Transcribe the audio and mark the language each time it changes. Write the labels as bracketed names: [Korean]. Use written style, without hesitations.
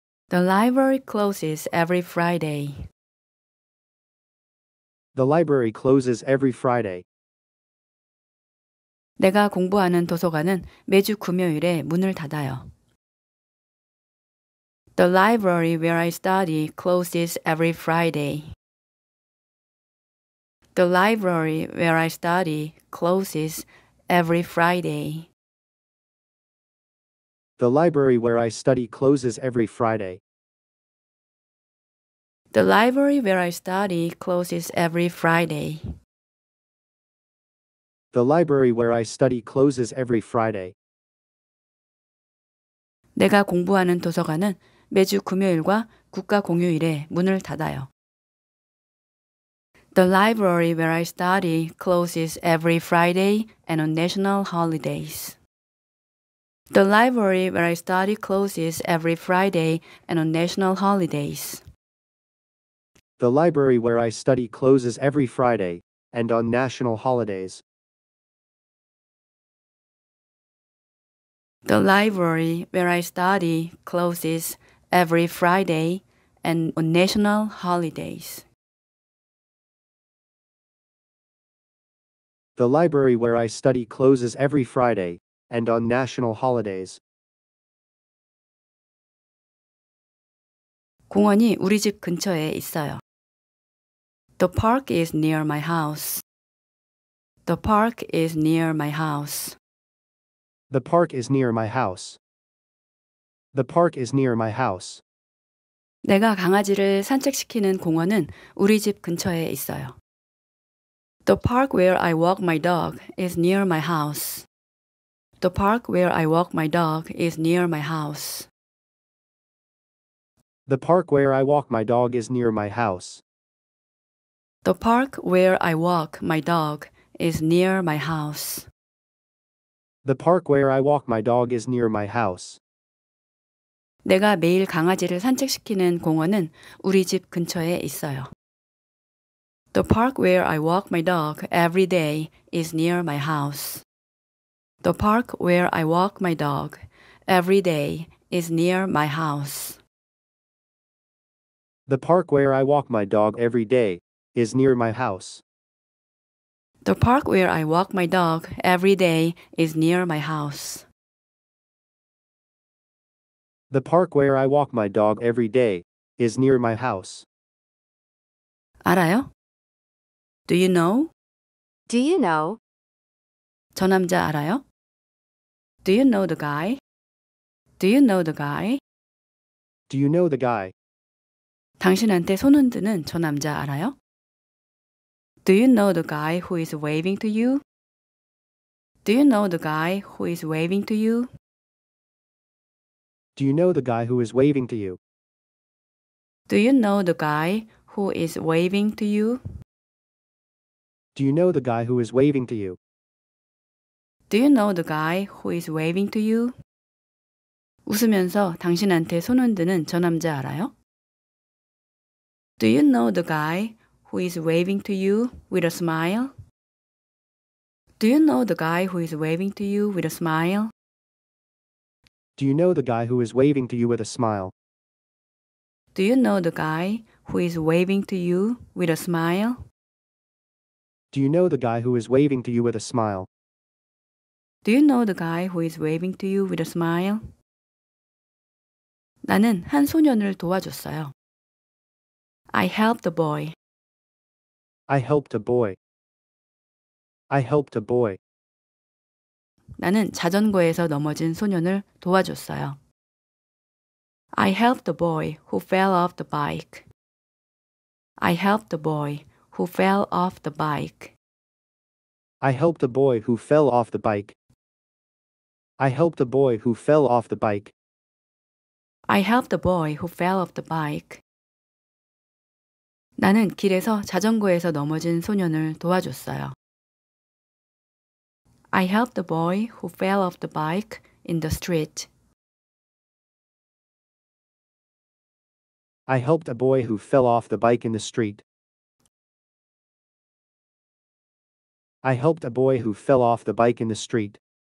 [English] The library closes every Friday. The library closes every Friday. [Korean] 내가 공부하는 도서관은 매주 금요일에 문을 닫아요. [English] The library where I study closes every Friday. The library where I study closes every Friday. The library where I study closes every Friday. The library where I study closes every Friday. The library where I study closes every Friday. [Korean] 내가 공부하는 도서관은 매주 금요일과 국가 공휴일에 문을 닫아요. [English] The library where I study closes every Friday and on national holidays. The library where I study closes every Friday and on national holidays. The library where I study closes every Friday and on national holidays. The library where I study closes every Friday and on national holidays. The library where I study closes every Friday and on national holidays. [Korean] 공원이 우리 집 근처에 있어요. [English] The park is near my house. The park is near my house. The park is near my house. The park is near my house. [Korean] 내가 강아지를 산책시키는 공원은 우리 집 근처에 있어요. [English] The park where I walk my dog is near my house. The park where I walk my dog is near my house. The park where I walk my dog is near my house. The park where I walk my dog is near my house. The park where I walk my dog is near my house. [Korean] 내가 매일 강아지를 산책시키는 공원은 우리 집 근처에 있어요. [English] The park where I walk my dog every day is near my house. The park where I walk my dog every day is near my house. The park where I walk my dog every day is near my house. The park where I walk my dog every day is near my house. The park where I walk my dog every day is near my house. [Korean] 알아요? [English] Do you know? Do you know? [Korean] 저 남자 알아요? [English] Do you know the guy? Do you know the guy? Do you know the guy? [Korean] 당신한테 손 흔드는 저 남자 알아요? [English] Do you know the guy who is waving to you? Do you know the guy who is waving to you? Do you know the guy who is waving to you? Do you know the guy who is waving to you? Do you know the guy who is waving to you? Do you know the guy who is waving to you? [Korean] 웃으면서 당신한테 손 흔드는 저 남자 알아요? [English] Do you know the guy who is waving to you with a smile? Do you know the guy who is waving to you with a smile? Do you know the guy who is waving to you with a smile? Do you know the guy who is waving to you with a smile? Do you know the guy who is waving to you with a smile? Do you know the guy who is waving to you with a smile? [Korean] 나는 한 소년을 도와줬어요. [English] I helped a boy. I helped a boy. I helped a boy. [Korean] 나는 자전거에서 넘어진 소년을 도와줬어요. [English] I helped a boy who fell off the bike. I helped a boy who fell off the bike. I helped a boy who fell off the bike. I helped a boy who fell off the bike. I helped a boy who fell off the bike. [Korean] 나는 길에서 자전거에서 넘어진 소년을 도와줬어요. [English] I helped a boy who fell off the bike in the street. I helped a boy who fell off the bike in the street. I helped a boy who fell off the bike in the street.